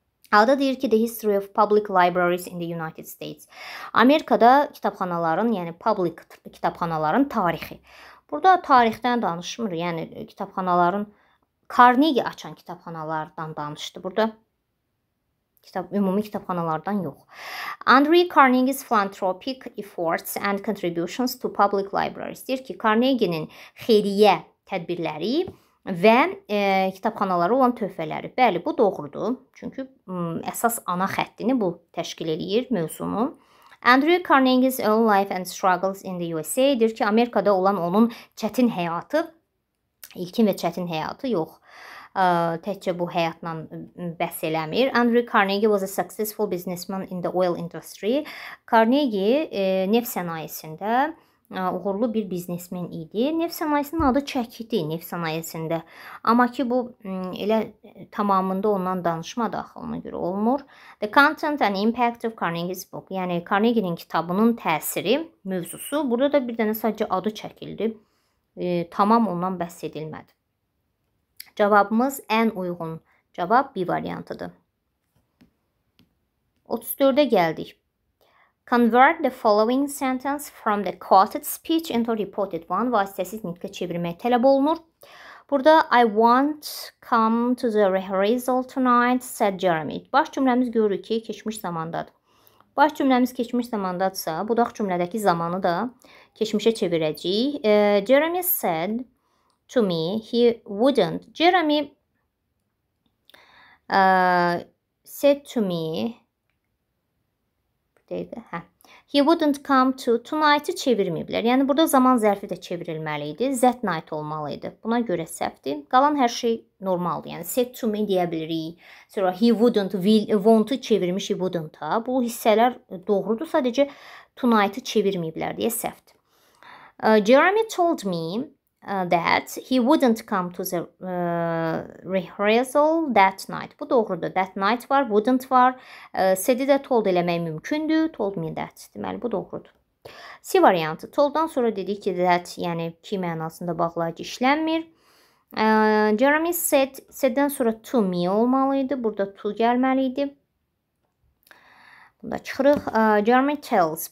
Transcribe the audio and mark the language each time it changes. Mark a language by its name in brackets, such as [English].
[Azerbaijani] Alda deyir ki, [English] The History of Public Libraries in the United States. [Azerbaijani] Amerikada kitabxanaların, yəni public kitabxanaların tarixi. Burada tarixdən danışmır, yəni kitabxanaların, Carnegie açan kitabxanalardan danışdı burada. Ümumi kitabxanalardan yox. [English] Andrew Carnegie's philanthropic efforts and contributions to public libraries. [Azerbaijani] Deyir ki, Carnegie'nin xeyriyyə tədbirləri və kitabxanalara olan töhfələri. Bəli, bu doğrudur. Çünki əsas ana xəttini bu təşkil edir mövzunu. [English] Andrew Carnegie's own life and struggles in the USA. [Azerbaijani] Deyir ki, Amerikada olan onun çətin həyatı, ilkin və çətin həyatı yox. Təkcə bu həyatla bəhs eləmir. [English] Andrew Carnegie was a successful businessman in the oil industry. [Azerbaijani] Carnegie neft sənayesində uğurlu bir biznesmen idi. Neft sənayesinin adı çəkidi neft sənayesində. Amma ki, bu elə tamamında ondan danışma daxilına görə olmur. [English] The content and impact of Carnegie's book. [Azerbaijani] Yəni, Carnegie'nin kitabının təsiri, mövzusu. Burada da bir dənə sadəcə adı çəkildi. Tamam ondan bəhs edilmədi. Cavabımız ən uyğun cavab B variantıdır. 34-də gəldik. [English] Convert the following sentence from the quoted speech into reported one. [Azerbaijani] Vasitəsiz nitqə çevirmək tələb olunur. Burada [English] I won't come to the rehearsal tonight, said Jeremy. [Azerbaijani] Baş cümləmiz görür ki, keçmiş zamandadır. Baş cümləmiz keçmiş zamandadırsa, budaq cümlədəki zamanı da keçmişə çevirəcəyik. [English] Jeremy said to me, he wouldn't. Jeremy said to me, he wouldn't come to tonight'ı [Azerbaijani] çevirməyiblər. Yəni, burada zaman zərfi də çevrilməli idi. That night olmalı idi. Buna görə səhvdir. Qalan hər şey normaldır. Yəni, said to me deyə bilirik. Sonra he wouldn't, won't'ı çevirmiş, he wouldn't'a. Bu hissələr doğrudur. Sadəcə tonight'ı çevirməyiblər deyə səhvdir. [English] Jeremy told me that he wouldn't come to the rehearsal that night. [Azerbaijani] Bu doğrudur. That night var, wouldn't var. Said-i də told eləmək mümkündür. Told me that. Deməli, bu doğrudur. C variantı. Told-dan sonra dedik ki, that, yəni ki mənasında bağlayıcı işlənmir. Jeremy said, said-dən sonra to me olmalı idi. Burada to gəlməli idi. Bunda çıxırıq. Jeremy tells.